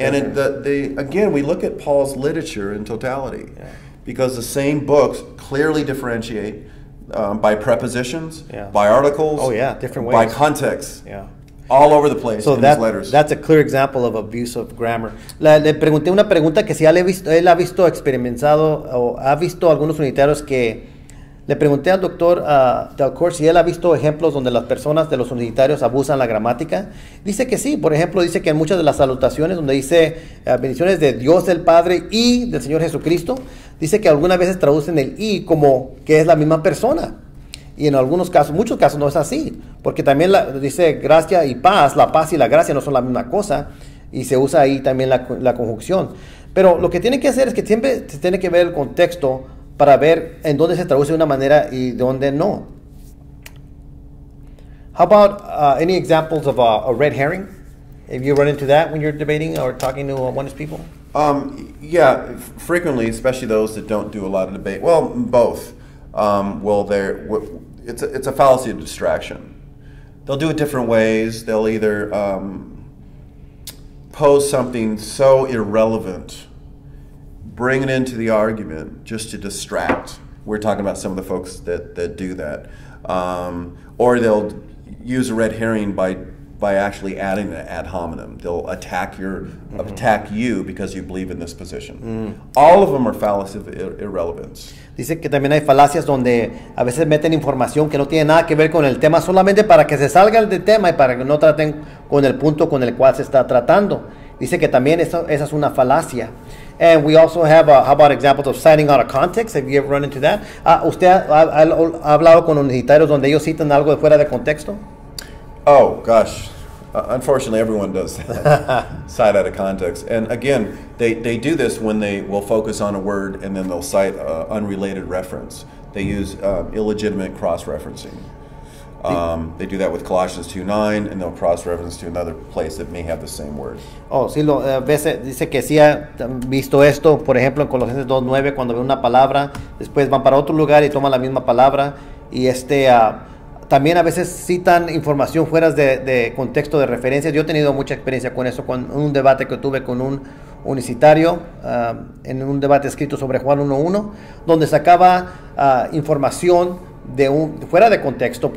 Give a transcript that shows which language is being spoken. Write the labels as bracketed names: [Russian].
[English] And again, we look at Paul's literature in totality. Yeah. Because the same books clearly differentiate by prepositions, yeah. by articles, oh, yeah. different ways. By context. Yeah. All over the place so in his letters. That's a clear example of abuse of grammar. [Spanish] Le pregunté una pregunta que si él ha visto experimentado o ha visto algunos unitarios que... Le pregunté al doctor Dalcour si él ha visto ejemplos donde las personas de los universitarios abusan la gramática. Dice que sí. Por ejemplo, dice que en muchas de las salutaciones donde dice bendiciones de Dios el Padre y del Señor Jesucristo, dice que algunas veces traducen el y como que es la misma persona. Y en algunos casos, muchos casos no es así. Porque también dice gracia y paz. La paz y la gracia no son la misma cosa. Y se usa ahí también la conjunción. Pero lo que tiene que hacer es que siempre se tiene que ver el contexto para ver en dónde se traduce de una manera y dónde no. [English] How about any examples of a red herring? Have you run into that when you're debating or talking to Oneness people? Yeah, frequently, especially those that don't do a lot of debate. Well, both. It's a fallacy of distraction. They'll do it different ways. They'll either pose something so irrelevant, bring it into the argument just to distract. We're talking about some of the folks that do that. Or they'll use a red herring by actually adding an ad hominem. They'll attack attack you because you believe in this position. Mm. All of them are fallacies of irrelevance. [Spanish] Dice que también hay falacias donde a veces meten información que no tiene nada que ver con el tema solamente para que se salga del tema y para que no traten con el punto con el cual se está tratando. Dice que también esa es una falacia. [English] And we also have, how about examples of citing out of context? Have you ever run into that? [Spanish] ¿Usted ha hablado con universitarios donde ellos citan algo de fuera de contexto? [English] Oh, gosh. Unfortunately, everyone does that. Cite out of context. And again, they do this when they will focus on a word and then they'll cite an unrelated reference. They use illegitimate cross-referencing. They do that with Colossians 2:9, and they'll cross-reference to another place that may have the same word. [Spanish] Oh, sí, lo veces dice que sí ha visto esto, por ejemplo, en Colosenses 2:9, cuando ve una palabra, después van para otro lugar y toman la misma palabra, y también a veces citan información fuera de contexto de referencias. Yo he tenido mucha experiencia con eso, con un debate que tuve con un universitario en un debate escrito sobre Juan 1:1, donde sacaba información fuera de contexto.